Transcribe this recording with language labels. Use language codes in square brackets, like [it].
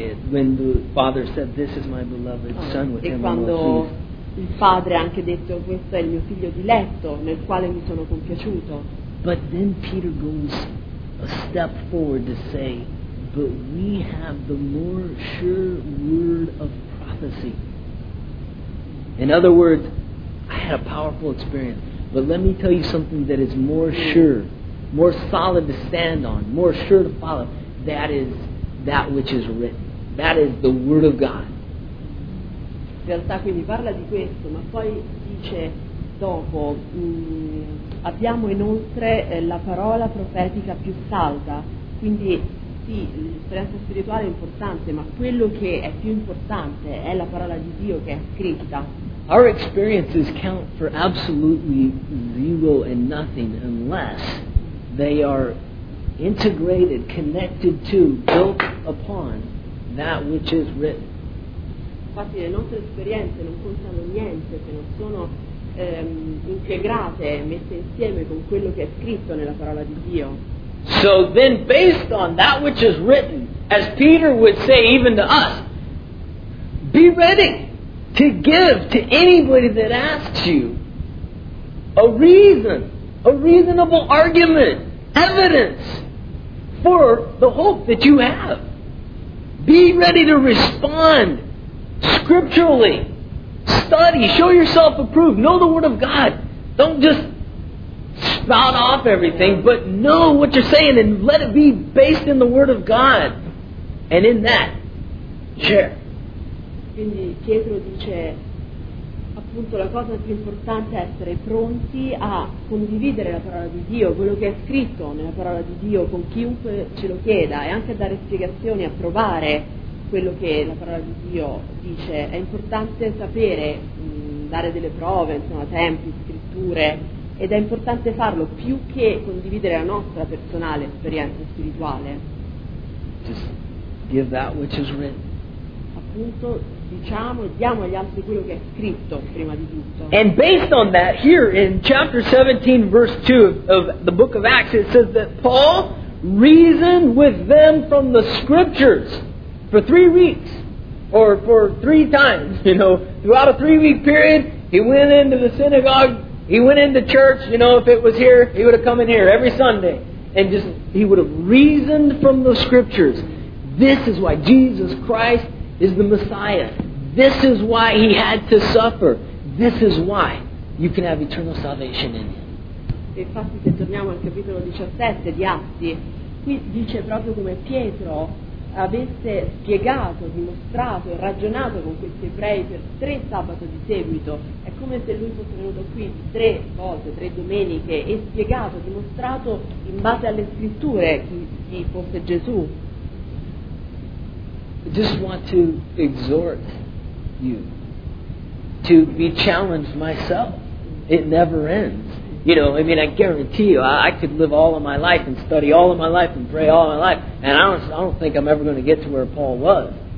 [en] When the Father said, "This is my beloved Son," with him. [it] E quando il Padre ha anche detto, "Questo è il mio figlio diletto, nel quale mi sono compiaciuto." [en] But then Peter goes a step forward to say, "But we have the more sure word of prophecy." In other words, I had a powerful experience, but let me tell you something that is more sure, more solid to stand on, more sure to follow. That is that which is written. That is the word of God. [it] In realtà quindi parla di questo, ma poi dice dopo, abbiamo inoltre la parola profetica più salda. Quindi sì, l'esperienza spirituale è importante, ma quello che è più importante è la parola di Dio che è scritta. [en] Our experiences count for absolutely zero and nothing unless they are integrated, connected to, built upon that which is written. [it] Infatti le nostre esperienze non contano niente se non sono integrate, messe insieme con quello che è scritto nella parola di Dio. [en] So then based on that which is written, as Peter would say even to us, be ready to give to anybody that asks you a reason, a reasonable argument, evidence for the hope that you have. Be ready to respond scripturally. Study, show yourself approved, know the word of God. Don't just spout off everything, but know what you're saying and let it be based in the word of God. And in that, share. [it] Quindi Pietro dice appunto la cosa più importante è essere pronti a condividere la parola di Dio, quello che è scritto nella parola di Dio con chiunque ce lo chieda e anche a dare spiegazioni, a provare quello che la parola di Dio dice. È importante sapere, dare delle prove, insomma, tempi, scritture, ed è importante farlo più che condividere la nostra personale esperienza spirituale. [en] Just give that which is written. [it] Appunto, diciamo e diamo agli altri quello che è scritto prima di tutto. [en] And based on that, here in chapter 17, verse 2 of the book of Acts, it says that Paul reasoned with them from the scriptures for 3 weeks, or for 3 times, you know, throughout a 3-week period. He went into the synagogue, he went into church, you know, if it was here, he would have come in here every Sunday, and just, he would have reasoned from the scriptures. This is why Jesus Christ is the Messiah. This is why he had to suffer. This is why you can have eternal salvation in him. [it] E infatti se torniamo al capitolo 17 di Atti, qui dice proprio come Pietro avesse spiegato, dimostrato e ragionato con questi ebrei per 3 sabati di seguito. È come se lui fosse venuto qui 3 volte, 3 domeniche, e spiegato, dimostrato in base alle scritture chi fosse Gesù. [en] I just want to exhort you to be challenged myself. It never ends. You know, I mean, I guarantee you, I could live all of my life and study all of my life and pray all of my life, and I don't think I'm ever going to get to where Paul was.